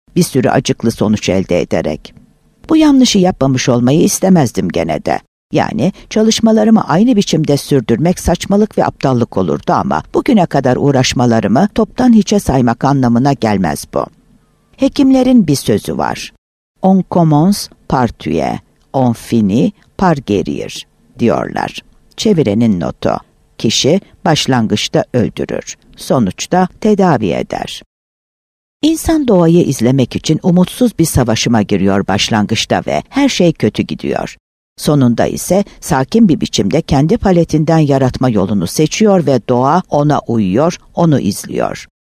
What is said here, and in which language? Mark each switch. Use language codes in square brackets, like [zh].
[tr] Bir sürü acıklı sonuç elde ederek. Bu yanlışı yapmamış olmayı istemezdim gene de. Yani çalışmalarımı aynı biçimde sürdürmek saçmalık ve aptallık olurdu ama bugüne kadar uğraşmalarımı toptan hiçe saymak anlamına gelmez bu. Hekimlerin bir sözü var. [fr] On commence par tuer, on finit par guérir [tr] diyorlar. Çevirenin notu. Kişi başlangıçta öldürür, sonuçta tedavi eder. İnsan doğayı izlemek için umutsuz bir savaşıma giriyor başlangıçta ve her şey kötü gidiyor. Sonunda ise sakin bir biçimde kendi paletinden yaratma yolunu seçiyor ve doğa ona uyuyor, onu izliyor.